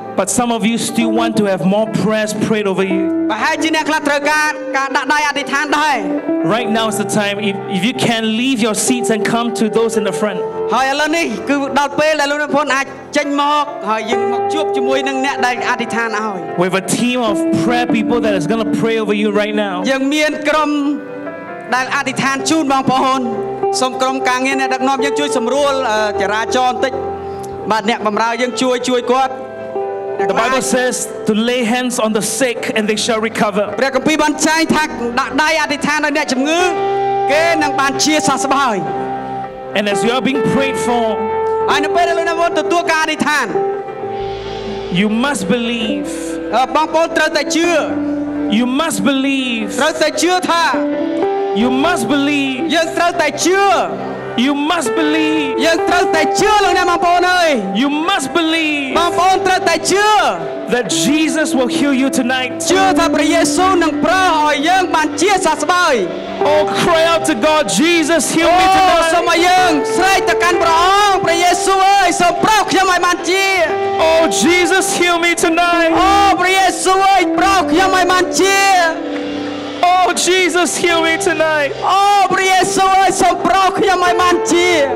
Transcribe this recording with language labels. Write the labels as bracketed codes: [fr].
[en] But some of you still want to have more prayers prayed over you. [km] បើហើយជាអ្នកខ្លះត្រូវការការដាក់ដៃអធិដ្ឋានដែរ [en] Right now is the time if you can leave your seats and come to those in the front. [km] ហើយឥឡូវនេះគឺដល់ពេលដែលលោកអ្នកបងអាចចេញមកហើយយើងមកជួបជាមួយនឹងអ្នកដែលអធិដ្ឋានហើយ [en] We have a team of prayer people that is going to pray over you right now. [km] យើងមានក្រុមដែលអធិដ្ឋានជូនបងប្អូនសូមក្រុមការងារអ្នកដឹកនាំយើងជួយសម្រួលចរាចរណ៍បន្តិចបាទអ្នកបំរើយើងជួយជួយគាត់ [en] The Bible says to lay hands on the sick and they shall recover [km] ព្រះគម្ពីរបានចែងថាដាក់ដៃអធិដ្ឋានលើអ្នកជំងឺគេនឹងបានជាសះស្បើយ [en] And as you are being prayed for I know better than ever to do ការអធិដ្ឋាន You must believe [km] បងប្អូនត្រូវតែជឿ [en] You must believe [km] ត្រូវតែជឿថា [en] You must believe [km] យើងត្រូវតែជឿ [en] You must believe. [km] យើងត្រូវតែជឿលោកអ្នកបងប្អូនអើយ [en] You must believe. [km] បងប្អូនត្រូវតែជឿ [en] that Jesus will heal you tonight. [km] ជឿថាព្រះយេស៊ូវនឹងប្រោះឲ្យយើងបានជាសះស្បើយ [en] Oh cry out to God, Jesus heal me tonight. [km] សូមឲ្យយើងស្រែកទៅកាន់ព្រះអង្គព្រះយេស៊ូវអើយសូមប្រោះខ្ញុំឲ្យបានជា [en] Oh Jesus heal me tonight. [km] អូព្រះយេស៊ូវអើយប្រោះខ្ញុំឲ្យបានជា [en] Oh Jesus heal me tonight. [km] Oh ព្រះយេស៊ូវសូមប្រោះខ្ញុំឲ្យបានជា